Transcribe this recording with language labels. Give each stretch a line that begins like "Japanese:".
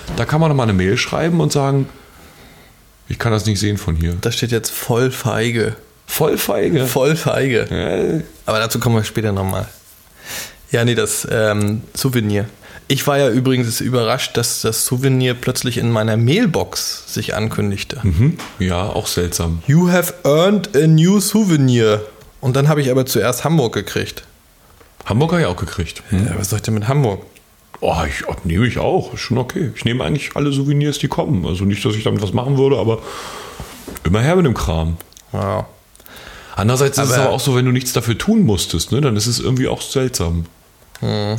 German: Da kann man doch mal eine Mail schreiben und sagen... Ich kann das nicht sehen von hier. Da steht jetzt voll feige. Voll feige? Voll feige. Aber dazu kommen wir später nochmal. Ja, nee, das Souvenir. Ich war ja übrigens überrascht, dass das Souvenir plötzlich in meiner Mailbox sich ankündigte. Mhm. Ja, auch seltsam.
English: You have earned a new souvenir.
German: Und dann habe ich aber zuerst Hamburg gekriegt. Hamburg habe ich auch gekriegt. Hm. Ja, was soll ich denn mit Hamburg? Oh, ich nehme ich auch. Ist schon okay. Ich nehme eigentlich alle Souvenirs, die kommen. Also nicht, dass ich damit was machen würde, aber immer her mit dem Kram. Ja. Andererseits ist es aber auch so, wenn du nichts dafür tun musstest, ne, dann ist es irgendwie auch seltsam. Mhm.